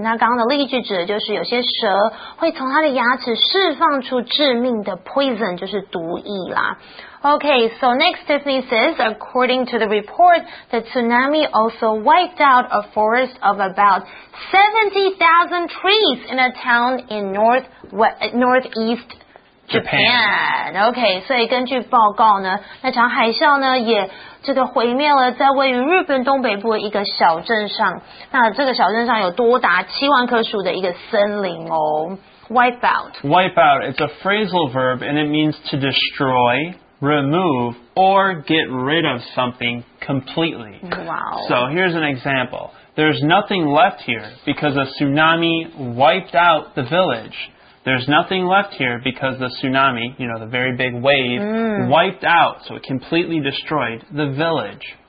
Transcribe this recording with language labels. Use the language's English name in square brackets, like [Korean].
[Chinese] 那刚刚的例句指的就是有些蛇会从它的牙齿释放出致命的 poison， 就是毒液啦。 [English] Okay, so next Tiffany says, according to the report, the tsunami also wiped out a forest of about 70,000 trees in a town in northeast Japan. [Chinese] Okay, 所以根据报告呢，那场海啸呢也这个毁灭了在位于日本东北部的一个小镇上。那这个小镇上有多达70,000棵树的一个森林哦。 [English] Wipe out. Wipe out. It's a phrasal verb and it means to destroy. Remove or get rid of something completely. Wow. So here's an example. There's nothing left here because a tsunami wiped out the village. There's nothing left here because the tsunami, you know, the very big wave, wiped out, so it completely destroyed the village.